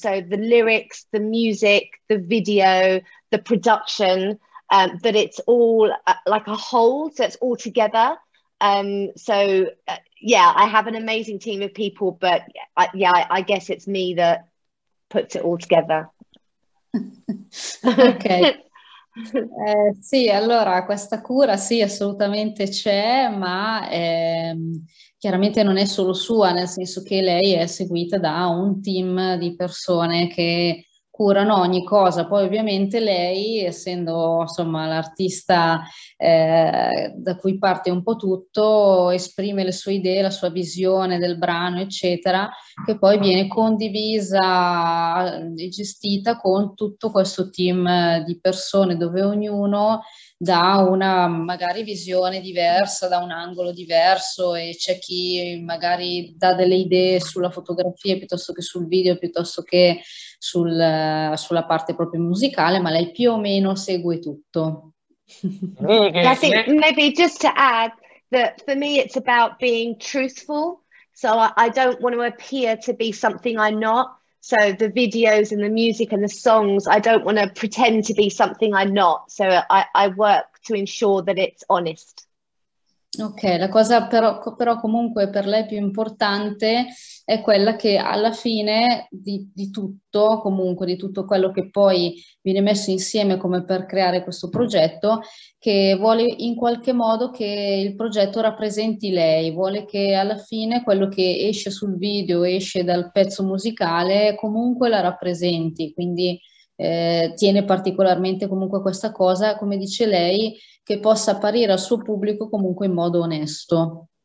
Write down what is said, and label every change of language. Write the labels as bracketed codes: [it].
[en] So the lyrics, the music, the video, the production, that it's all like a whole, so it's all together. I have an amazing team of people, but I guess it's me that puts it all together. [it] Ok, sì, allora questa cura sì, assolutamente c'è, ma chiaramente non è solo sua, nel senso che lei è seguita da un team di persone che curano ogni cosa. Poi ovviamente lei, essendo insomma l'artista da cui parte un po' tutto, esprime le sue idee, la sua visione del brano, eccetera, che poi viene condivisa e gestita con tutto questo team di persone, dove ognuno dà una magari visione diversa, da un angolo diverso, e c'è chi magari dà delle idee sulla fotografia piuttosto che sul video, piuttosto che sulla parte proprio musicale, ma lei più o meno segue tutto. [en] I think maybe just to add that for me it's about being truthful, so I don't want to appear to be something I'm not. So the videos and the music and the songs, I don't want to pretend to be something I'm not. So I work to ensure that it's honest. [it] Ok, la cosa però comunque per lei più importante è quella che alla fine di tutto, comunque di tutto quello che poi viene messo insieme come per creare questo progetto, che vuole in qualche modo che il progetto rappresenti lei, vuole che alla fine quello che esce sul video, esce dal pezzo musicale, comunque la rappresenti, quindi tiene particolarmente comunque questa cosa, come dice lei, che possa apparire al suo pubblico comunque in modo onesto.